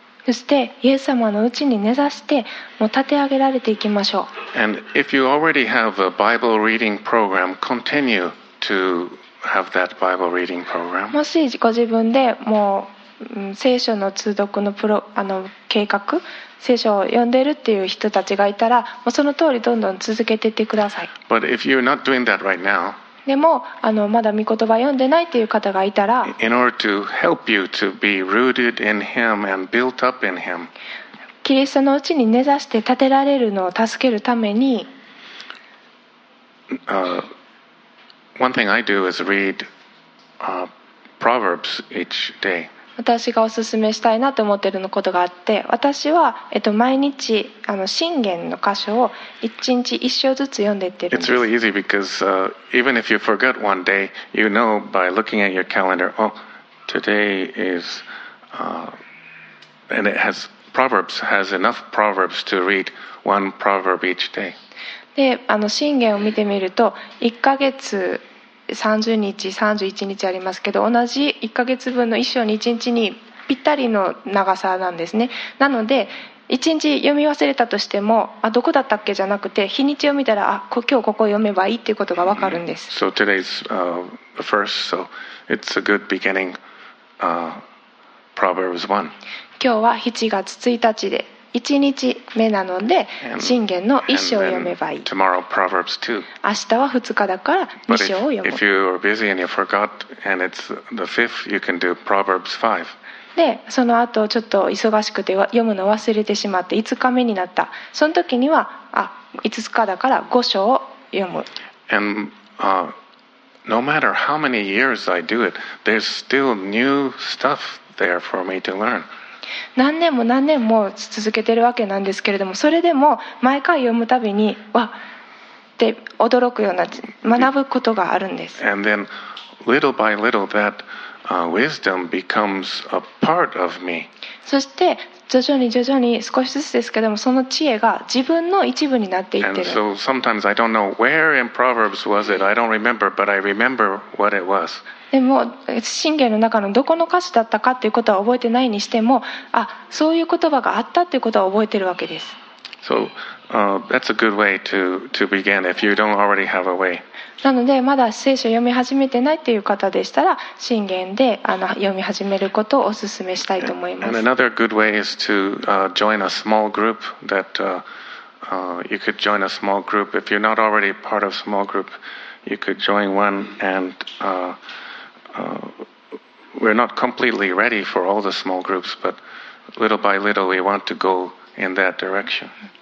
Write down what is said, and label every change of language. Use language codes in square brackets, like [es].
[ja] そしてイエス様のうちに根ざしてもう立て上げられていきましょう。 [en] And if you already have a Bible reading program, continue toHave that Bible reading program. [ja] もしご自分でもう聖書の通読 の, プロあの計画聖書を読んでるっていう人たちがいたらもうその通りどんどん続けていってください。 [en] But if you're not doing that right now, [ja] でもあのまだ御言葉読んでないっていう方がいたら [en] in order to help you to be rooted in him and built up in him, [ja] キリストのうちに根ざして立てられるのを助けるために、 [en] One thing I do is read, Proverbs each day. [ja] 私がおすすめしたいなと思っていることがあって、私は毎日あの箴言の箇所を一日一章ずつ読んでいってるんです。 [en] It's really easy because even if you forget one day, you know by looking at your calendar, oh, today is, and it has Proverbs has enough Proverbs to read one proverb each day. [ja] で、あの箴言を見てみると1ヶ月30日31日ありますけど同じ1ヶ月分の1章に1日にぴったりの長さなんですね。なので1日読み忘れたとしてもあどこだったっけじゃなくて日にちを見たらあ今日ここ読めばいいっていうことがわかるんです。 [en] So today's the first, so it's a good beginning, Proverbs 1. [ja] 今日は7月1日で1日目なので箴言の1章を読めばいい。 [en] tomorrow, Proverbs 2. [ja] 明日は2日だから2章を読む。 [en] if you are busy and you forgot and it's the 5th, you can do Proverbs 5. [ja] でその後ちょっと忙しくて読むの忘れてしまって5日目になった。その時にはあ5日だから5章を読む。 [en] and、no matter how many years I do it, there's still new stuff there for me to learn. [ja] 何年も何年も続けてるわけなんですけれども、それでも毎回読むたびにわって驚くような学ぶことがあるんです。 [en] And then, little by little, that wisdom becomes a part of me. [ja] そして徐々に徐々に少しずつですけれども、その知恵が自分の一部になっていってる。 [en] And so sometimes I don't know where in Proverbs was it. I don't remember, but I remember what it was. [ja] でも箴言の中のどこの歌詞だったかということは覚えてないにしてもあそういう言葉があったということは覚えてるわけです。 [en] So, that's a good way to begin if you don't already have a way. [ja] なのでまだ聖書を読み始めてないという方でしたら箴言で読み始めることをお勧めしたいと思います。 [en] And another good way is to join a small group that you could join a small group if you're not already part of a small group you could join one andWe're not completely ready for all the small groups, but little by little we want to go in that direction.